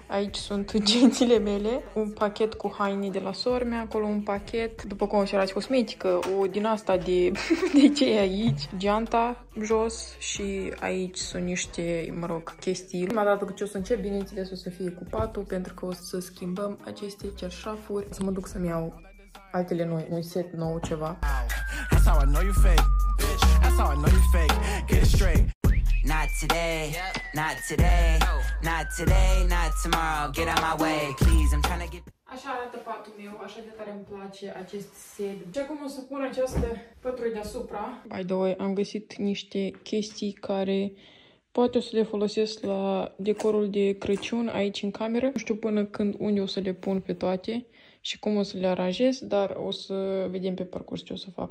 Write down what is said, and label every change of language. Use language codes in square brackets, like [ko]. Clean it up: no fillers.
[ro] Aici sunt gențile mele, un pachet cu haine de la sormea, acolo un pachet, după cum observați, cosmetică, o din asta de, de ce e aici, geanta jos și aici sunt niște, mă rog, chestii. Prima dată cu ce o să încep, bineînțeles, o să fie cu patul, pentru că o să schimbăm aceste ceașafuri. Să mă duc să-mi iau altele noi, un set nou, ceva. [en] That's how I know you fake, bitch. That's how I know you fake, get it straight. Not today, not today, not today, not tomorrow. Get out my way, please. I'm trying to get. [ro] Așa arată patul meu, așa de tare îmi place acest set. Și acum o să pun această pătură deasupra. [en] By the way, [ro] am găsit niște chestii care poate o să le folosesc la decorul de Crăciun aici în cameră. Nu știu până când unde o să le pun pe toate și cum o să le aranjez, dar o să vedem pe parcurs ce o să fac.